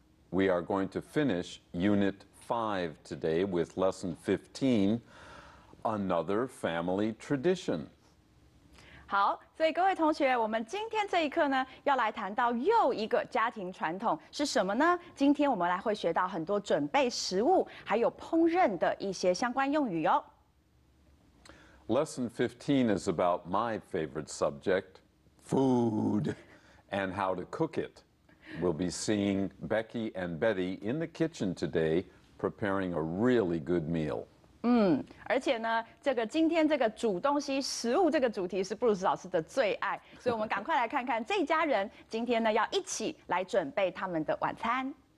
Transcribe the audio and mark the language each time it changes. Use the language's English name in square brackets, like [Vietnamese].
[English] We are going to finish Unit 5 today with Lesson 15, Another Family Tradition. [Chinese] 好，所以各位同学，我们今天这一课呢，要来谈到又一个家庭传统是什么呢？今天我们来会学到很多准备食物，还有烹饪的一些相关用语哟。 [English] Lesson 15 is about my favorite subject, food, and how to cook it. We'll be seeing Becky and Betty in the kitchen today, preparing a really good meal. [Chinese] 而且呢，这个今天这个煮东西、食物这个主题是布鲁斯老师的最爱，所以我们赶快来看看这一家人今天呢要一起来准备他们的晚餐。